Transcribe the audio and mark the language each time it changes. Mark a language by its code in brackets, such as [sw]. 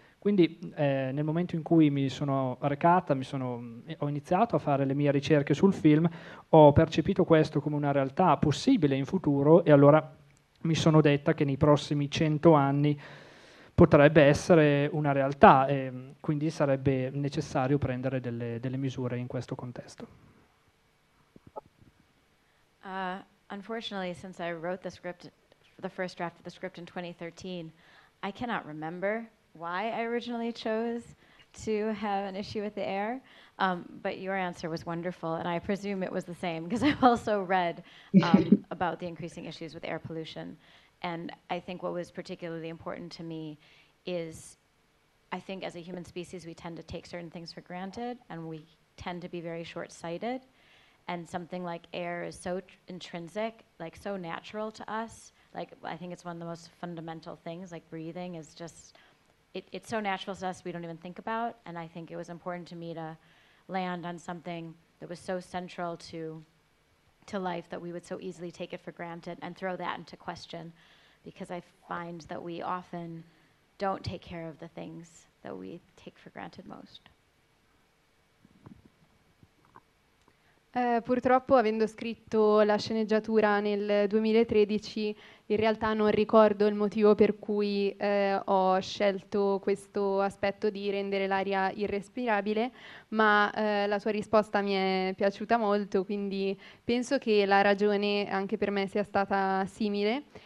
[it] Quindi nel momento in cui mi sono recata, ho iniziato a fare le mie ricerche sul film, ho percepito questo come una realtà possibile in futuro e allora mi sono detta che nei prossimi 100 anni potrebbe essere una realtà e quindi sarebbe necessario prendere delle misure in questo contesto. [en] Unfortunately, since I wrote the script, the first draft of the script in 2013, I cannot remember why I originally chose to have an issue with the air, but your answer was wonderful, and I presume it was the same, because I've also read about the increasing issues with air pollution, and I think what was particularly important to me is, I think as a human species, we tend to take certain things for granted, and we tend to be very short-sighted, and something like air is so intrinsic, like so natural to us, like I think it's one of the most fundamental things, like breathing is just, it's so natural to us we don't even think about, and I think it was important to me to land on something that was so central to life that we would so easily take it for granted and throw that into question, because I find that we often don't take care of the things that we take for granted most. [it] Purtroppo, avendo scritto la sceneggiatura nel 2013, in realtà non ricordo il motivo per cui ho scelto questo aspetto di rendere l'aria irrespirabile, ma la sua risposta mi è piaciuta molto, quindi penso che la ragione anche per me sia stata simile.